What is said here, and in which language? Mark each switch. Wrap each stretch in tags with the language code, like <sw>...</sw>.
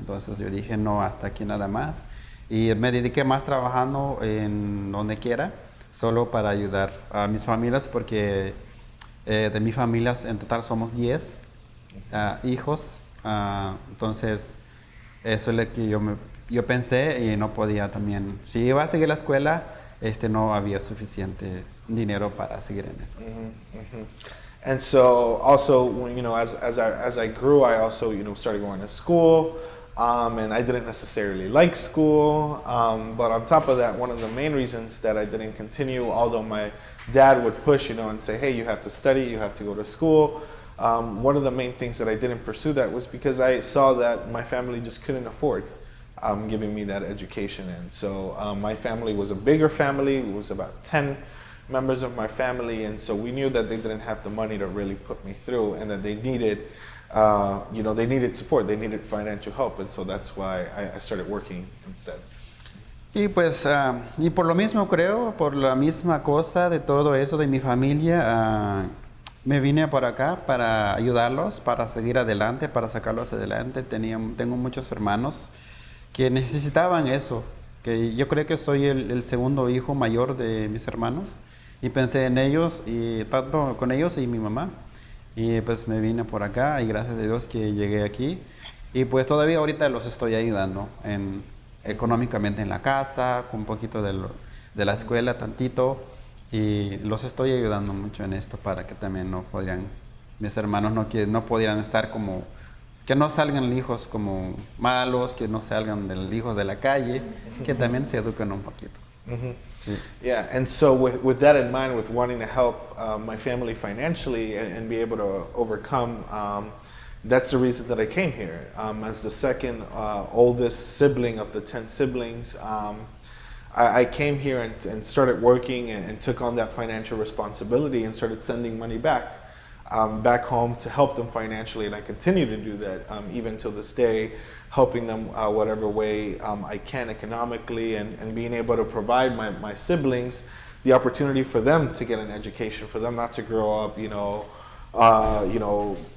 <es>Entonces, yo dije, no, hasta aquí nada más. Y me dediqué más trabajando en donde quiera, solo para ayudar a mis familias, porque de mis familias, en total, somos 10 hijos. Entonces, eso es lo que yo pensé, y no podía también. Si iba a seguir la escuela, no había suficiente dinero para seguir en eso.</es> <en>And so also, you know, as I grew, I also, you know, started going to school, and I didn't necessarily like school, but on top of that, one of the main reasons that I didn't continue, although my dad would push, you know, and say, hey, you have to study, you have to go to school, one of the main things that I didn't pursue that was because I saw that my family just couldn't afford giving me that education. And so my family was a bigger family, it was about 10 members of my family, and so we knew that they didn't have the money to really put me through, and that they needed, you know, they needed support, they needed financial help, and so that's why I started working instead.</en> <es>Y pues, y por lo mismo creo, por la misma cosa de todo eso de mi familia, me vine por acá para ayudarlos, para seguir adelante, para sacarlos adelante. Tengo muchos hermanos que necesitaban eso, que yo creo que soy el segundo hijo mayor de mis hermanos. Y pensé en ellos, y tanto con ellos y mi mamá. Y pues me vine por acá, y gracias a Dios que llegué aquí. Y pues todavía ahorita los estoy ayudando en, económicamente en la casa, con un poquito de la escuela, tantito. Y los estoy ayudando mucho en esto para que también no podrían, mis hermanos no pudieran estar como, que no salgan hijos como malos, que no salgan de hijos de la calle, que también se eduquen un poquito. Mm-hmm.</es> <en>Yeah, and so with that in mind, with wanting to help my family financially and be able to overcome, that's the reason that I came here. As the second oldest sibling of the 10 siblings, I came here and started working and took on that financial responsibility and started sending money back home to help them financially, and I continue to do that even till this day, helping them whatever way I can economically, and being able to provide my siblings the opportunity for them to get an education, for them not to grow up, you know,</en>